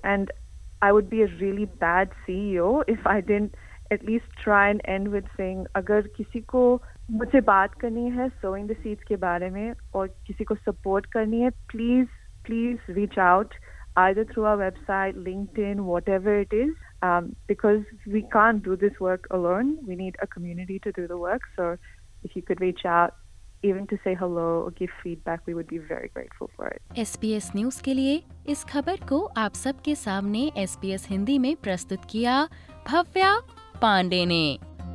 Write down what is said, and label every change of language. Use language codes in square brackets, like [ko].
[en] and I would be a really bad CEO if I didn't at least try and end with saying, [hi] अगर किसी को मुझे बात करनी है [en] Sowing the seeds के बारे में और किसी को सपोर्ट करनी है, please please reach out either through our website, LinkedIn, whatever it is. Because we can't do this work alone. We need a community to do the work. So if you could reach out, even to say hello or give feedback, we would be very grateful for it. [hi] SBS News के लिए इस खबर को आप सबके सामने SBS Hindi में प्रस्तुत किया भव्या पांडे ने.